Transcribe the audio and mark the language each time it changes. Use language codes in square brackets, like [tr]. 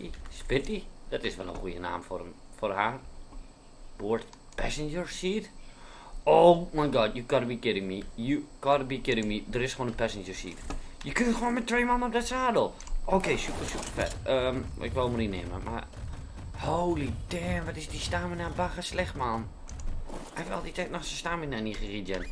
[nl] Spitty? Dat is wel een goede naam voor hem. Voor haar. [en] Board passenger seat? Oh my god, you gotta be kidding me. [nl] Er is gewoon een passenger seat. Je kunt gewoon met twee mannen op dat zadel. Oké, super vet. Ik wil hem niet nemen, maar... [en] Holy damn, [nl] wat is die stamina bagger slecht, man. Hij heeft al die tijd nog zijn stamina niet geregend.